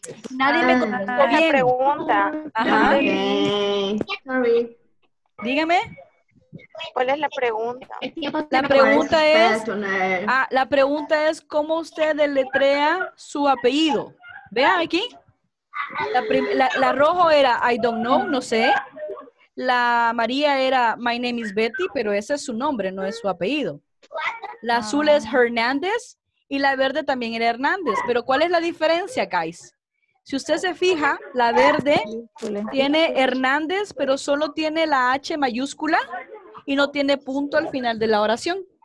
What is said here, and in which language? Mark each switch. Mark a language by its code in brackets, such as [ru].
[es] Nadie me contestó bien. Esa pregunta. Ajá. Okay. Dígame. ¿Cuál es la pregunta? La pregunta es, la pregunta es cómo usted deletrea su apellido. Vea aquí. La rojo era [en] I don't know, [es] no sé. La María era [en] my name is Betty, [es] pero ese es su nombre, no es su apellido. La azul es Hernández y la verde también era Hernández. Pero ¿cuál es la diferencia, [en] guys? [es] Si usted se fija, la verde tiene Hernández, pero solo tiene la H mayúscula y no tiene punto al final de la oración.